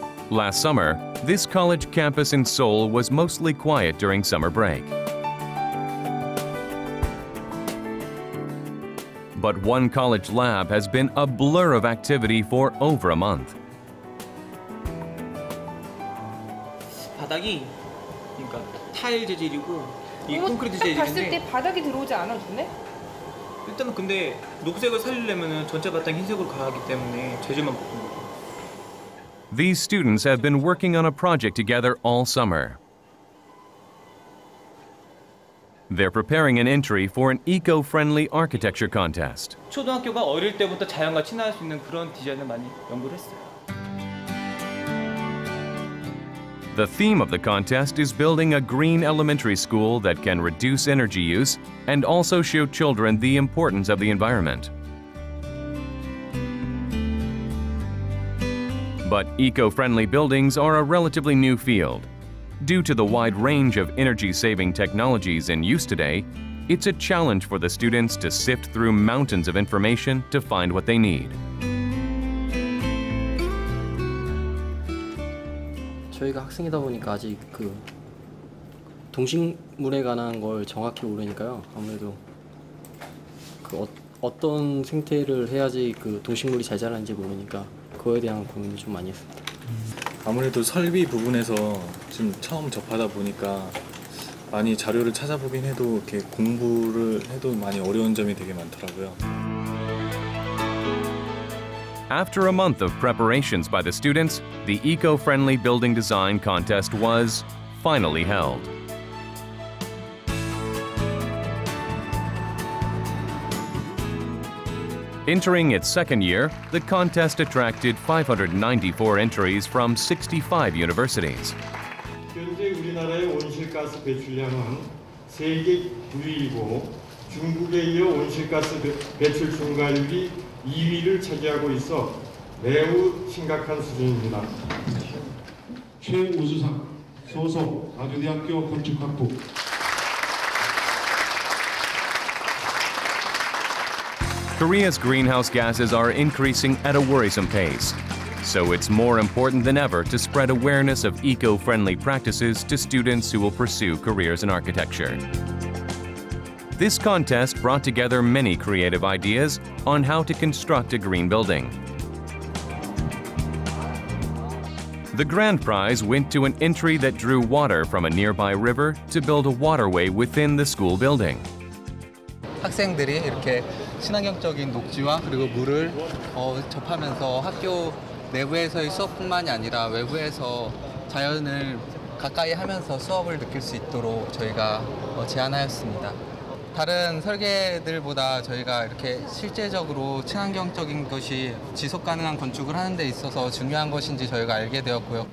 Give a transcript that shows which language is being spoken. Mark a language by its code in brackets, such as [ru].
[en] Last summer, this college campus in Seoul was mostly quiet during summer break. But one college lab has been a blur of activity for over a month. [ko] 바닥이 그러니까 타일 재질이고 이게 콘크리트 재질인데 봤을 때 바닥이 들어오지 않아 좋네. 일단은 근데 녹색을 살리려면은 전체 바닥이 흰색으로 가야 하기 때문에 재질만 바꾸는 거. [en] These students have been working on a project together all summer. They're preparing an entry for an eco-friendly architecture contest. [ko] 초등학교가 어릴 때부터 자연과 친화할 수 있는 그런 디자인을 많이 연구를 했어요. [en] The theme of the contest is building a green elementary school that can reduce energy use and also show children the importance of the environment. But eco-friendly buildings are a relatively new field. Due to the wide range of energy-saving technologies in use today, it's a challenge for the students to sift through mountains of information to find what they need. [ko] 저희가 학생이다 보니까 아직 그 동식물에 관한 걸 정확히 모르니까요. 아무래도 그 어떤 생태를 해야지 그 동식물이 잘 자라는지 모르니까 그거에 대한 고민을 좀 많이 했습니다. 아무래도 설비 부분에서 지금 처음 접하다 보니까 많이 자료를 찾아보긴 해도 이렇게 공부를 해도 많이 어려운 점이 되게 많더라고요. [en] After a month of preparations by the students, the eco-friendly building design contest was finally held. Entering its second year, the contest attracted 594 entries from 65 universities. [ko] 현재 우리나라의 온실가스 배출량은 세계 9위이고 중국에 이어 온실가스 배출 증가율이 2위를 차지하고 있어 매우 심각한 수준입니다. 최우수상 소속 아주대학교 건축학부. [en] Korea's greenhouse gases are increasing at a worrisome pace. So it's more important than ever to spread awareness of eco-friendly practices to students who will pursue careers in architecture. This contest brought together many creative ideas on how to construct a green building. The grand prize went to an entry that drew water from a nearby river to build a waterway within the school building. [ko] 학생들이 이렇게 친환경적인 녹지와 그리고 물을 접하면서 학교 내부에서의 수업뿐만이 아니라 외부에서 자연을 가까이 하면서 수업을 느낄 수 있도록 저희가 제안하였습니다. 다른 설계들보다 저희가 이렇게 실제적으로 친환경적인 것이 지속가능한 건축을 하는 데 있어서 중요한 것인지 저희가 알게 되었고요.